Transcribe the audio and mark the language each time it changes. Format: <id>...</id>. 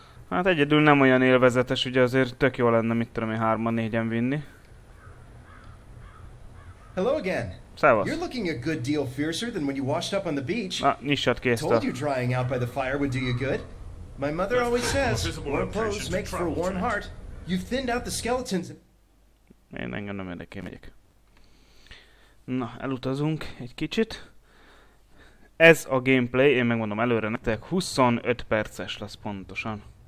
<hu>Hát egyedül nem olyan élvezetes, ugye azért tök jó lenne, mit tudom én, 3-4-en vinni.</hu> <en>Hello again!</en> <hu>Szávasz.</hu> <en>You're looking a good deal fiercer than when you washed up on the beach.</en> <hu>Na, nyissad ki ezt a...</hu> <en>Told you drying out by the fire would do you good. My mother always says, warm clothes make for a warm heart. You've thinned out the skeletons and...</en> <hu>Én engem nem érdekel, megyek. Na, elutazunk egy kicsit. Ez a gameplay, én megmondom előre nektek, 25 perces lesz pontosan.</hu>